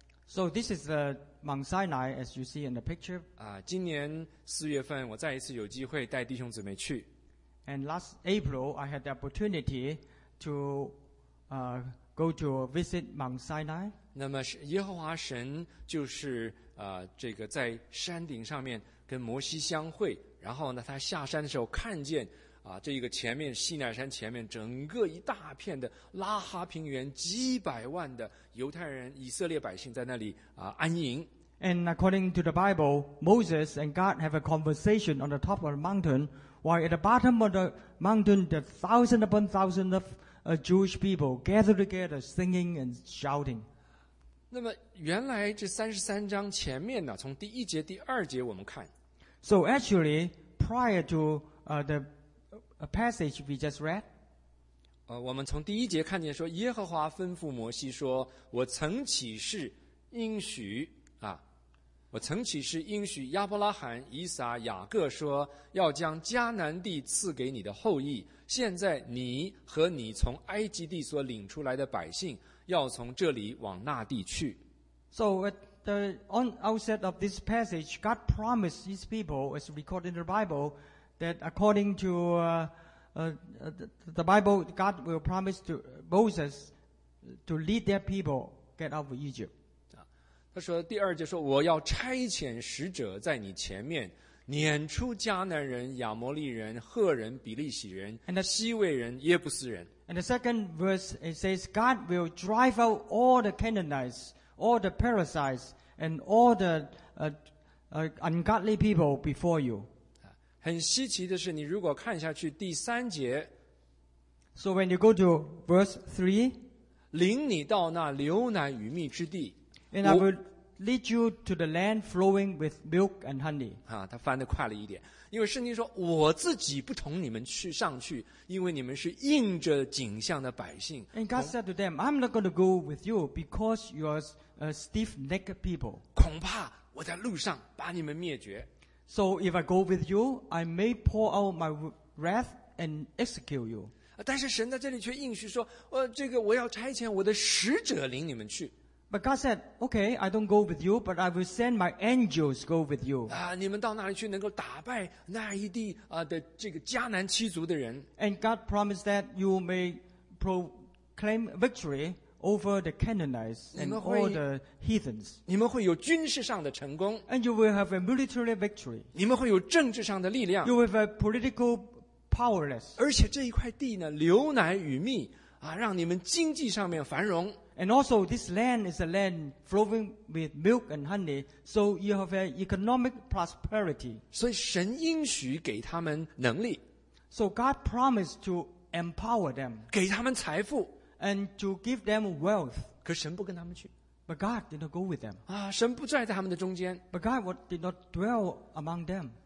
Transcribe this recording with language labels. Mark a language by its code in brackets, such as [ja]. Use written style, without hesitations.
[en] So this is the Mount Sinai, as you see in the picture. [zh] 今年四月份我再一次有机会带弟兄姊妹去。 [en] And last April, I had the opportunity to go to visit Mount Sinai. [zh] 那么耶和华神就是这个在山顶上面跟摩西相会。然后呢，他下山的时候看见这一个前面西乃山前面整个一大片的拉哈平原，几百万的犹太人以色列百姓在那里安营。 [en] And according to the Bible, Moses and God have a conversation on the top of the mountain, while at the bottom of the mountain, the thousand upon thousand of Jewish people gathered together, singing and shouting. [zh] 那么原来这三十三章前面呢，从第一节第二节我们看。 [en] So actually, prior to the passage we just read, [zh] 我们从第一节看见说，耶和华吩咐摩西说，我曾起誓应许亚伯拉罕、以撒、雅各说，要将迦南地赐给你的后裔。现在你和你从埃及地所领出来的百姓，要从这里往那地去。 [en] So on outset of this passage, God promised His people, as recorded in the Bible, that according to the Bible, God will promise to Moses to lead their people get out of Egypt. [zh] 他说第二节说，我要差遣使者在你前面，撵出迦南人、亚摩利人、赫人、比利洗人、希未人、耶布斯人。 [en] And the second verse, it says, God will drive out all the Canaanites, all the Perizzites. And all the ungodly people before you. [zh] 很稀奇的是，你如果看下去第三节。 [en] So when you go to verse 3, [zh] 领你到那流奶与蜜之地。 [en] And I will lead you to the land flowing with milk and honey. [zh] 他翻得快了一点。因为圣经说，我自己不同你们去上去，因为你们是应着景象的百姓。 [en] And God said to them, I'm not going to go with you because you are stiff-necked people. [zh] 恐怕我在路上把你们灭绝。 [en] So if I go with you, I may pour out my wrath and execute you. [zh] 但是神在这里却应许说，这个我要差遣我的使者领你们去。 [en] But God said, okay, I don't go with you, but I will send my angels go with you. [zh] 啊，你们到那里去能够打败那一地啊的这个迦南七族的人。 [en] And God promised that you may proclaim victory over the Canaanites and all the heathens. [zh] 你们会有军事上的成功。 [en] And you will have a military victory. [zh] 你们会有政治上的力量。 [en] You will have a political powerless. [zh] 而且这一块地呢，流奶与蜜啊，让你们经济上面繁荣。 [en] And also, this land is a land flowing with milk and honey, so you have an economic prosperity. [zh] 所以神应许给他们能力。 [en] So God promised to empower them. [zh] 给他们财富。 [en] And to give them wealth. [zh] 可神不跟他们去。 [en] But God did not go with them. [zh] 啊，神不在他们的中间。 [en] But God did not dwell among them.